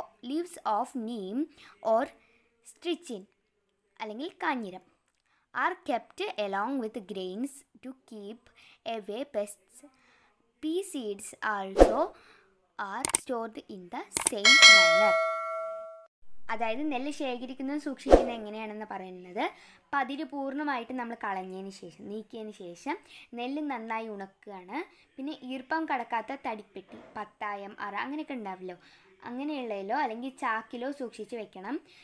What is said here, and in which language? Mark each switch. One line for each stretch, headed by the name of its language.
English: leaves of neem or strychnine,
Malayalam: അല്ലെങ്കിൽ കാഞ്ഞിരം,
English: Are kept along with grains to keep away pests. Pea seeds also are stored in the same manner.
Malayalam: അതായത് നെല്ല് ശേഖരിക്കുന്നതും സൂക്ഷിക്കുന്നത് എങ്ങനെയാണെന്ന് പറയുന്നത്, പതിര് പൂർണ്ണമായിട്ട് നമ്മൾ കളഞ്ഞതിന് ശേഷം, നീക്കിയതിന് ശേഷം നെല്ല് നന്നായി ഉണക്കുകയാണ്. പിന്നെ ഈർപ്പം കടക്കാത്ത തടിപ്പെട്ടി, പത്തായം, അറ, അങ്ങനെയൊക്കെ ഉണ്ടാവില്ലോ, അങ്ങനെയുള്ളതിലോ അല്ലെങ്കിൽ ചാക്കിലോ സൂക്ഷിച്ച് വെക്കണം.